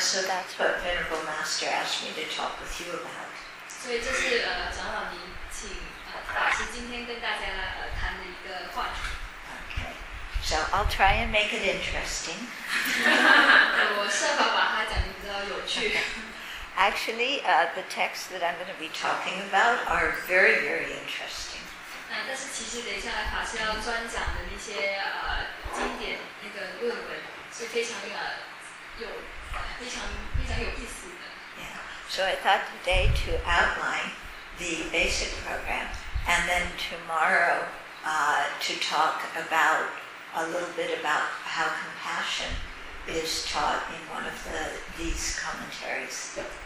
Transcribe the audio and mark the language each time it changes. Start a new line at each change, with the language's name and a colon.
English: so that's what Venerable Master asked me to talk with you about.
Chinese: 所以这是长老您请法师今天跟大家谈的一个话题。
English: So I'll try and make it interesting.
Chinese: 我设法把它讲得比较有趣。
English: Actually, the texts that I'm going to be talking about are very, very interesting.
Chinese: 但是其实等一下法师要专讲的那些经典那个论文是非常有意思的。
English: So I thought today to outline the basic program, and then tomorrow to talk about a little bit about how compassion is taught in one of these commentaries.